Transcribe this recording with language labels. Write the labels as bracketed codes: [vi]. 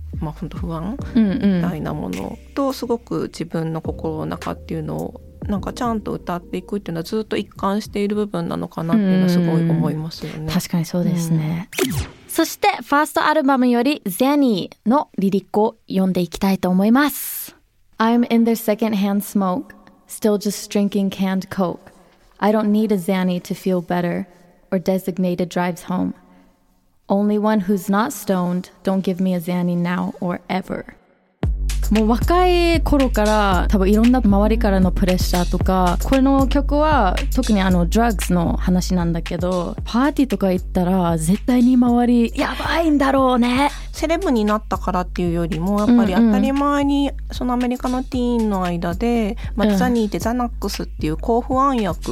[ja] まあ、本当不安みたいなものと、すごく自分の心の中っていうのをなんかちゃんと歌っていくっていうのはずっと一貫している部分なのかなっていうのはすごい思いますよね。確かにそうですね、うん、そしてファーストアルバムより Zenny のリリックを読んでいきたいと思います。 [en] I'm in the second hand smoke Still just drinking canned coke I don't need a Zenny to feel better Or designated drives homeOnly one who's not stoned, don't give me a Zanny now or ever. [ja] もう若い頃から多分いろんな周りからのプレッシャーとか、この曲は特にあのドラッグスの話なんだけど、パーティーとか行ったら絶対に周りやばいんだろうね。セレブになったからっていうよりもやっぱり当たり前にそのアメリカのティーンの間で、うんうん、まあ、ザニーってザナックスっていう抗不安薬、